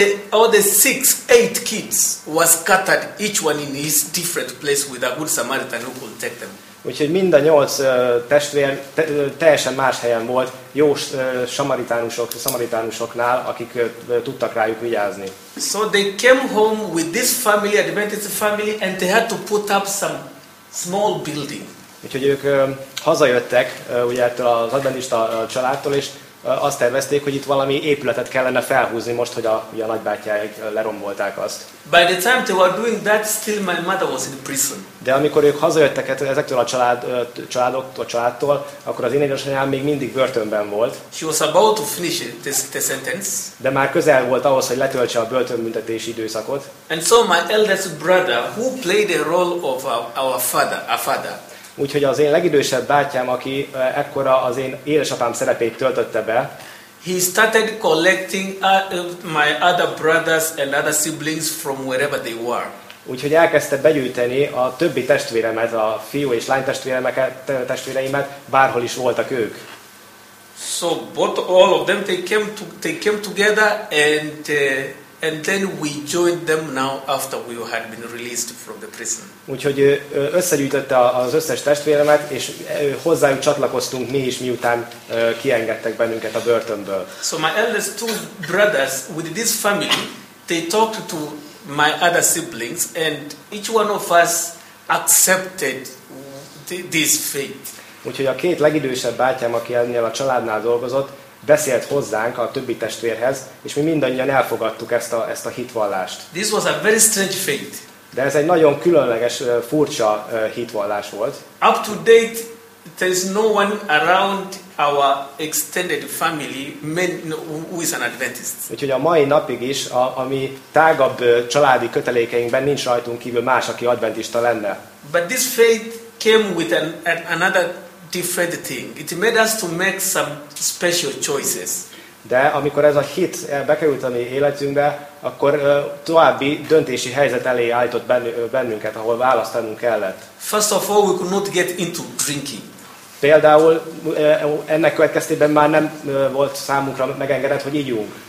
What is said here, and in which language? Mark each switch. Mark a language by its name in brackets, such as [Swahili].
[English] All the six, eight kids was scattered, each one in his different place with a good Samaritan who could take them. [Hungarian] Úgyhogy mind a nyolc testvér teljesen más helyen volt, jó samaritánusoknál, akik tudtak rájuk vigyázni. [English] So they came home with this family, Adventist family, and they had to put up some small building. [Hungarian] Úgyhogy ők hazajöttek, ugye ettől az adventista családtól, és azt tervezték, hogy itt valami épületet kellene felhúzni most, hogy a nagybátyáik lerombolták azt. [English] By the time they were doing that, still my mother was in prison. [Hungarian] De amikor ők hazajöttek ezektől a családtól, akkor az én édesanyám még mindig börtönben volt. [English] She was about to finish the sentence. [Hungarian] De már közel volt ahhoz, hogy letöltse a börtönbüntetési időszakot. [English] And so my eldest brother, who played the role of our father, a father. [Hungarian] Úgyhogy az én legidősebb bátyám, aki ekkora az én édesapám szerepét töltötte be. [English] He started collecting my other brothers and other siblings from wherever they were. [Hungarian] Úgyhogy elkezdte begyűjteni a többi testvéremet, a fiú és lány testvéreimet, bárhol is voltak ők. [English] So both all of them they came together and then we joined them now after we had been released from the prison. [Hungarian] Úgyhogy összegyűjtötte az összes testvéremet és hozzájuk csatlakoztunk mi is miután kiengedtek bennünket a börtönből. [English] So my eldest two brothers with this family they talked to my other siblings and each one of us accepted this faith. [Hungarian] Úgyhogy a két legidősebb bátyám, aki ennél a családnál dolgozott, beszélt hozzánk a többi testvérhez, és mi mindannyian elfogadtuk ezt a hitvallást. [English] This was a very strange faith. [Hungarian] De ez egy nagyon különleges, furcsa hitvallás volt. [English] Up to date, there is no one around our extended family who is an Adventist. [Hungarian] Úgyhogy a mai napig is a mi tágabb családi kötelékeinkben nincs rajtunk kívül más, aki adventista lenne. [English] But this faith came with another different thing. It made us to make some special choices. [Hungarian] De amikor ez a hit bekerült a mi életünkbe, akkor további döntési helyzet elé állított bennünket, ahol választanunk kellett. [English] First of all, we could not get into drinking. [Hungarian] Például ennek következtében már nem volt számunkra megengedett, hogy ígyunk.